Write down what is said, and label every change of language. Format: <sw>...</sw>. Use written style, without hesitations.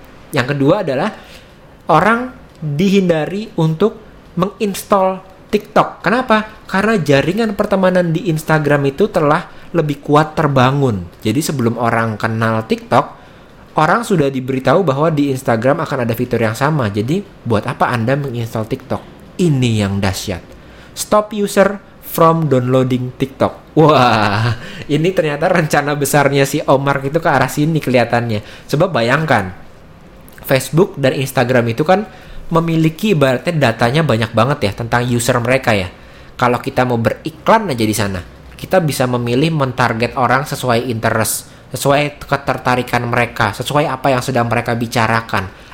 <id>Yang kedua adalah, orang dihindari untuk menginstall TikTok. Kenapa? Karena jaringan pertemanan di Instagram itu telah lebih kuat terbangun. Jadi sebelum orang kenal TikTok, orang sudah diberitahu bahwa di Instagram akan ada fitur yang sama. Jadi, buat apa Anda menginstal TikTok? Ini yang dahsyat.</id> <en>Stop user from downloading TikTok.</en> <id>Wah, ini ternyata rencana besarnya si Omar itu ke arah sini kelihatannya. Sebab bayangkan, Facebook dan Instagram itu kan memiliki ibaratnya datanya banyak banget ya tentang user mereka ya. Kalau kita mau beriklan aja di sana, kita bisa memilih mentarget orang sesuai interest, sesuai ketertarikan mereka, sesuai apa yang sedang mereka bicarakan.</id>